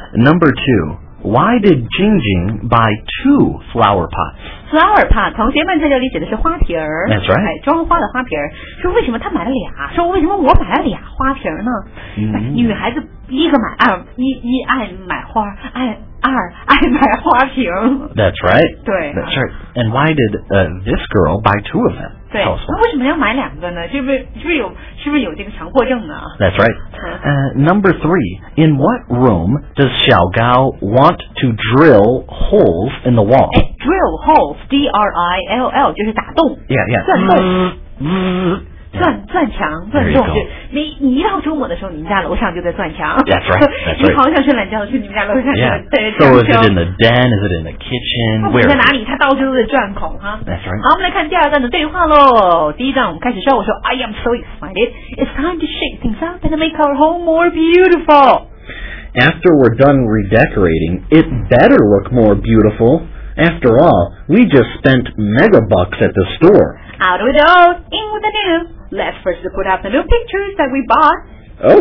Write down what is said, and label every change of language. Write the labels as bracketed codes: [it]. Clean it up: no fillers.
[en] Number two. Why did Jingjing buy two flower pots? [zh] Flower pot, 同学们在这里指的是花瓶儿。 [en] That's right. [zh] 哎，装花的花瓶儿。说为什么他买了俩？说为什么我买了俩花瓶呢？ Mm-hmm. 女孩子一个买二，一爱买花，爱买花瓶。 [en] That's right. [zh] 对。 [en] That's right. And why did this girl buy two of them? [zh] 对。那为什么要买两个呢？是不是有这个强迫症呢？ [en] That's right. Number three. In what room does Xiao Gao want to drill holes in the wall? Drill holes, D-R-I-L-L, [zh] 就是打洞。 [en] Yeah, yeah. [zh] 钻洞。钻墙，钻洞，你一到周末的时候，你们家楼上就在钻墙。 [en] That's right. That's right. [zh] 你好像是懒觉的去你们家楼上。 [en] Yeah. So is it in the den? Is it in the kitchen? Where? [zh] 在哪里？他到处都在钻孔哈。 [en] That's right. [zh] 好，我们来看第二段的对话喽。第一段我们开始说，我说 [en] I am so excited. It's time to shake things up and make our home more beautiful. After we're done redecorating, it better look more beautiful. After all, we just spent mega bucks at the store. Out with the old, in with the new. Let's first put up the new pictures that we bought.